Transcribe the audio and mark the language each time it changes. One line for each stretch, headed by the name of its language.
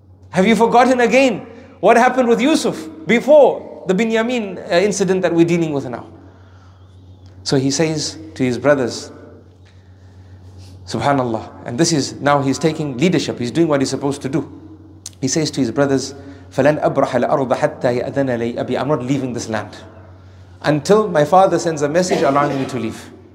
English: Have you forgotten again what happened with Yusuf before the Binyamin incident that we're dealing with now? So he says to his brothers, subhanallah, and this is now he's taking leadership, he's doing what he's supposed to do. He says to his brothers,
Arabic: فَلَنْ أَبْرَحَ الْأَرْضَ حَتَّى يَأْذَنَ لَيْ أَبِي.
English: I'm not leaving this land until my father sends a message allowing me to leave.